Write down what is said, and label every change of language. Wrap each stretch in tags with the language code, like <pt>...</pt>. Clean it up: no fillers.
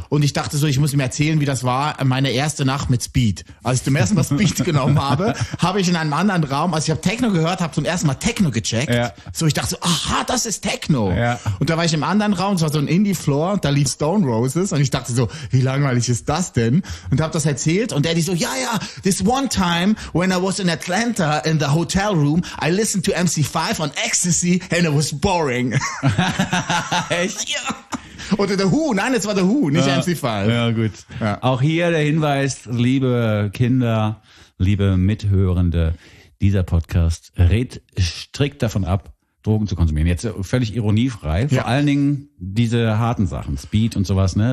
<de>und ich dachte so, ich muss ihm erzählen, wie das war, meine erste Nacht mit Speed. Als ich zum ersten Mal Speed genommen habe, habe ich in einem anderen Raum, als ich habe Techno gehört, habe zum ersten Mal Techno gecheckt. Ja. So, ich dachte so, aha, das ist Techno. Ja. Und da war ich im anderen Raum, es war so ein Indie-Floor, da lief Stone Roses und ich dachte so, wie langweilig ist das denn? Und habe das erzählt und Eddie so, ja, ja,</de> <en>this one time when I was in Atlanta in the hotel room, I listened to MC5 on Ecstasy and it was boring.</en> <de>Echt? Ja. Oder The Who, nein, es war The Who, nicht ja, MC5. Ja, gut. Ja. Auch hier der Hinweis, liebe Kinder, liebe Mithörende, dieser Podcast rät strikt davon ab, Drogen zu konsumieren. Jetzt völlig ironiefrei, vor allen Dingen diese harten Sachen, Speed und sowas, ne?</de>